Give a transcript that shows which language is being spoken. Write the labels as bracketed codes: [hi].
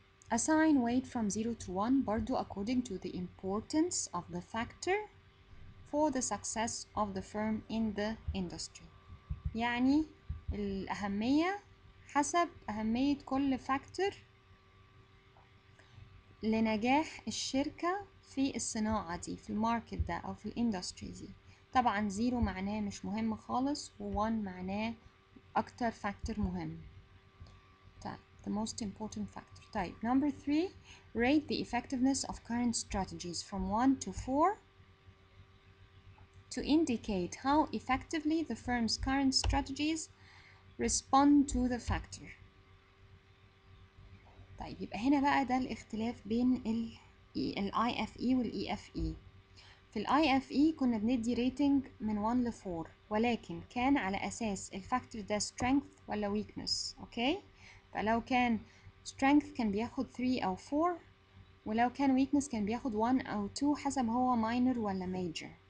[en] Assign weight from 0 to 1 برضو according to the importance of the factor for the success of the firm in the industry. [ar] يعني الأهمية حسب أهمية كل factor لنجاح الشركة في الصناعة دي، في الماركت ده أو في الاندستري دي. طبعا 0 معناه مش مهم خالص، و 1 معناه أكتر factor مهم. [en] The most important factor. Type number 3, rate the effectiveness of current strategies from 1 to 4 to indicate how effectively the firm's current strategies respond to the factor. [ar] طيب يبقى هنا بقى ده الاختلاف بين الـ IFE والـ EFE. في الـ IFE كنا بندي rating من 1 ل 4، ولكن كان على أساس الفاكتور ده strength ولا weakness. اوكي، فلو كان strength كان بياخد 3 أو 4، ولو كان weakness كان بياخد 1 أو 2 حسب هو minor ولا major.